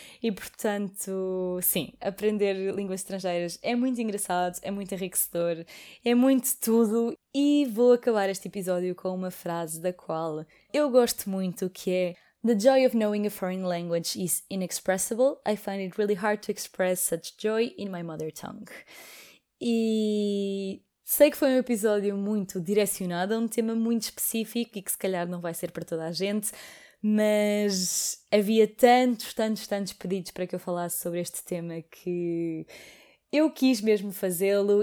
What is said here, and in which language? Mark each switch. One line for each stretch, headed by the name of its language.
Portuguese: E portanto, sim, aprender línguas estrangeiras é muito engraçado, é muito enriquecedor, é muito tudo. E vou acabar este episódio com uma frase da qual eu gosto muito, que é:
English: "The joy of knowing a foreign language is inexpressible. I find it really hard to express such joy in my mother tongue."
Portuguese: E sei que foi um episódio muito direcionado a um tema muito específico e que se calhar não vai ser para toda a gente, mas havia tantos, tantos, tantos pedidos para que eu falasse sobre este tema que eu quis mesmo fazê-lo.